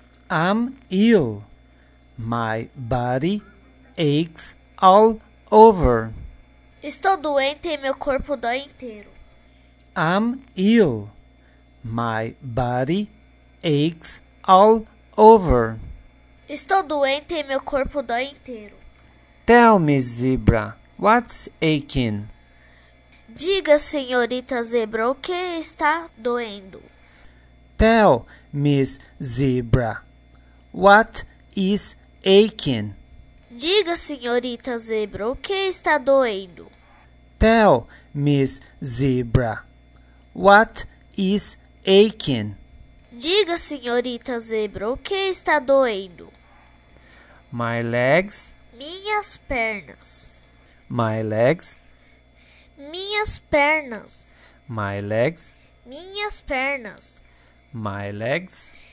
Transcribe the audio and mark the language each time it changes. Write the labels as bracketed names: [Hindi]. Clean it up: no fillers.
[English] I'm ill. My body aches all over. [Portuguese] Estou doente e meu corpo dói inteiro. [English] I'm ill. My body aches all over. [Portuguese] Estou doente e meu corpo dói inteiro. [English] Tell me, Zebra, what's aching? [Portuguese] Diga, senhorita Zebra, o que está doendo? [English] Tell Miss Zebra, what is aching? [Portuguese] Diga, senhorita Zebra, o que está doendo? [English] Tell Miss Zebra, what is aching? [Portuguese] Diga, senhorita Zebra, o que está doendo? [English] My legs. [Portuguese] Minhas pernas. [English] My legs. [Portuguese] Minhas pernas. [English] My legs. [Portuguese] Minhas pernas. [English] My legs.